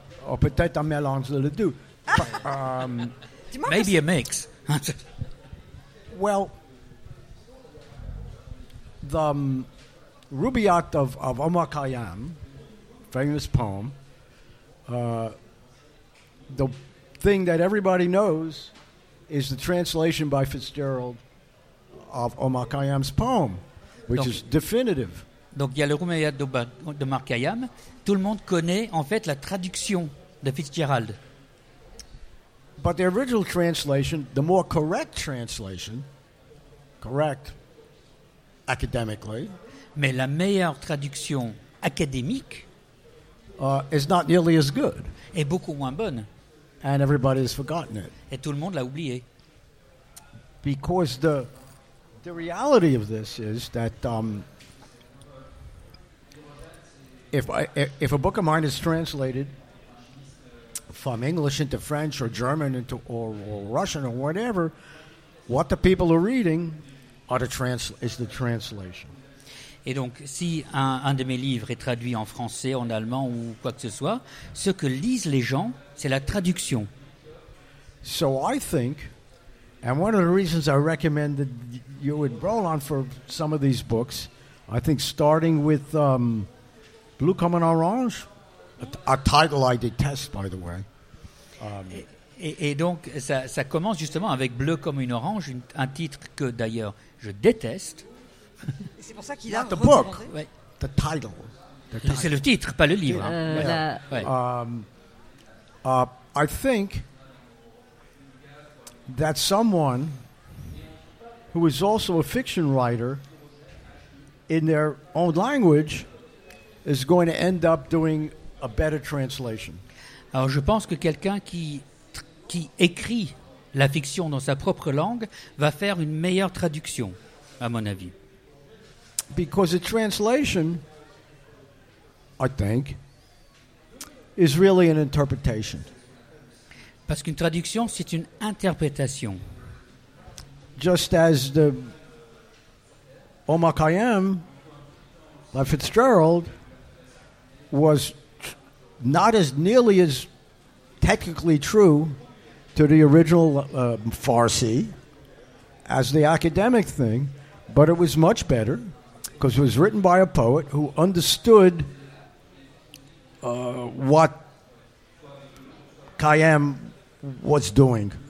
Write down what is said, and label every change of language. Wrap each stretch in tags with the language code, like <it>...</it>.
<fr>Or peut-être un mélange de les deux.</fr> <en>Maybe a mix. Well, the Rubaiyat of Omar Khayyam, famous poem, the thing that everybody knows is the translation by Fitzgerald of Omar Khayyam's poem, which is definitive.</en> <fr>Donc, il y a le Rubaiyat de Omar Khayyam. Tout le monde connaît, en fait, la traduction de Fitzgerald.</fr> <en>But the original translation, the more correct translation, correct academically,</en> <fr>mais la meilleure traduction académique,</fr> <en>is not nearly as good.</en> <fr>Est beaucoup moins bonne.</fr> <en>And everybody has forgotten it.</en> <fr>Et tout le monde l'a oublié.</fr> <en>Because the reality of this is that if a book of mine is translated from English into French or German into or Russian or whatever, what the people are reading is the translation.</en> <fr>Et donc, si un de mes livres est traduit en français, en allemand ou quoi que ce soit, ce que lisent les gens, c'est la traduction.</fr> <en>So I think And one of the reasons I recommended you and Brolon for some of these books, I think starting with Bleu comme un orange, a title I detest, by the way.</en> <fr>Et donc, ça commence justement avec Bleu comme une orange, un titre que, d'ailleurs, je déteste. Et c'est pour ça qu'il a recommandé.</fr> <en>Not the book, the title.</en> <fr>C'est le titre, pas le livre.</fr> <en>I think that someone who is also a fiction writer in their own language is going to end up doing a better translation.</en> <fr>Alors, je pense que quelqu'un qui écrit la fiction dans sa propre langue va faire une meilleure traduction, à mon avis.</fr> <en>Because a translation, I think, is really an interpretation.</en> <fr>Parce qu'une traduction, c'est une interprétation.</fr> <en>Just as the Omar Khayyam by Fitzgerald was not as nearly as technically true to the original Farsi as the academic thing, but it was much better because it was written by a poet who understood what Khayyam was doing.</en>